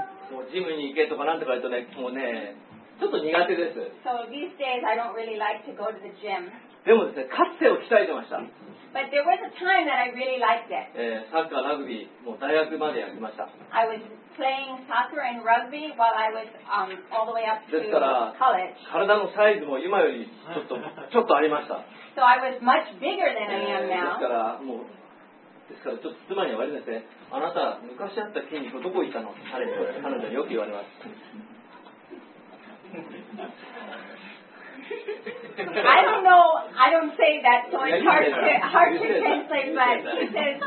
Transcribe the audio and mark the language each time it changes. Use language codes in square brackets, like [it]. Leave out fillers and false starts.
[ja] もうジムに行けとかなんとか言うとね、もうね、ちょっと苦手です。 [en] So these days I don't really like to go to the gym. [ja] でもですね、かつてを鍛えてました。 [en] But there was a time that I really liked it. [ja] サッカー、ラグビー、もう大学までやりました。 [en] I was playing soccer and rugby while I was all the way up to college. [ja] 体のサイズも今よりちょっとありました。 [en] So I was much bigger than I am now. [ja] ですからちょっと妻に言われですね、あなた昔あった筋肉どこ行ったの？彼女によく言われます。 [en] I don't say that, so it's hard to translate, but she says